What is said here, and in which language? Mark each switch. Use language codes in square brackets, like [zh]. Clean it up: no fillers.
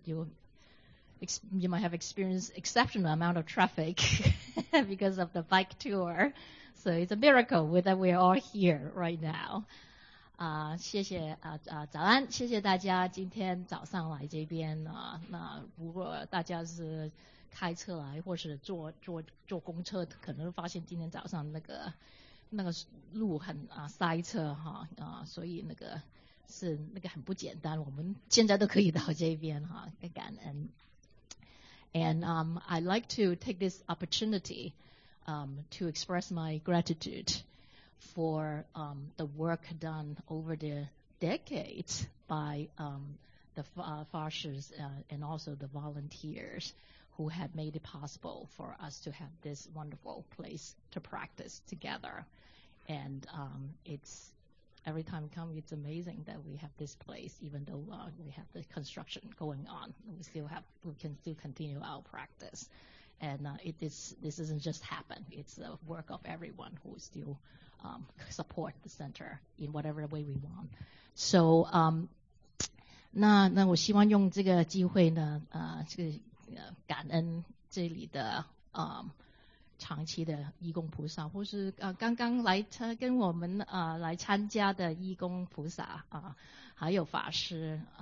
[en] You might have experienced exceptional amount of traffic because of the bike tour. So it's a miracle that we are all here right now. [zh] 谢谢早安，谢谢大家今天早上来这边啊。那如果大家是开车来或是坐公车，可能发现今天早上那个路很塞车哈啊，所以那个很不简单。我们现在都可以到这边哈，感恩。 [en] And I'd like to take this opportunity to express my gratitude for the work done over the decades by the farshers and also the volunteers who have made it possible for us to have this wonderful place to practice together. And it's every time we come, it's amazing that we have this place, even though we have the construction going on. We can still continue our practice. And this isn't just happen. It's the work of everyone who still support the center in whatever way we want. So, [zh] 那我希望用这个机会呢，感恩这里的长期的义工菩萨，或是刚刚来跟我们来参加的义工菩萨还有法师